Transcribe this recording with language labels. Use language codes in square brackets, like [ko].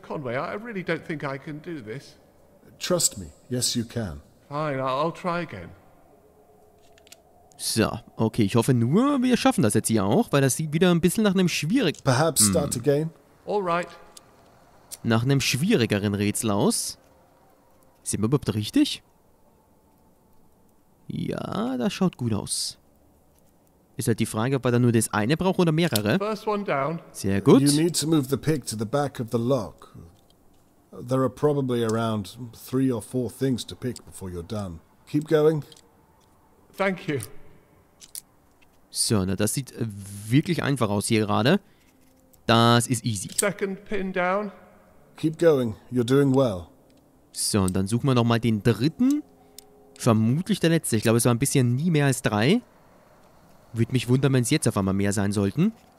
[en] Conway, I really don't think I can do this. Trust me. Yes, you can. Fine, I'll try again. [de] So, okay, ich hoffe nur, wir schaffen das jetzt hier auch, weil das sieht wieder ein bisschen nach einem schwierigen... [en] Perhaps start again. All right. [de] Nach einem schwierigeren Rätsel aus. Sind wir überhaupt richtig? Ja, das schaut gut aus. Ist halt die Frage, ob wir da nur das eine brauchen oder mehrere. [en] First one down. [de] Sehr gut. [en] You need to move the pick to the back of the lock. There are probably around three or four things to pick before you're done. Keep going. Thank you. [de] So, na, das sieht wirklich einfach aus hier gerade. Das ist easy. [en] Second pin down. Keep going. You're doing well. [de] So, und dann suchen wir nochmal den dritten. Vermutlich der letzte. Ich glaube, es war ein bisschen nie mehr als drei. Würde mich wundern, wenn es jetzt auf einmal mehr sein sollten.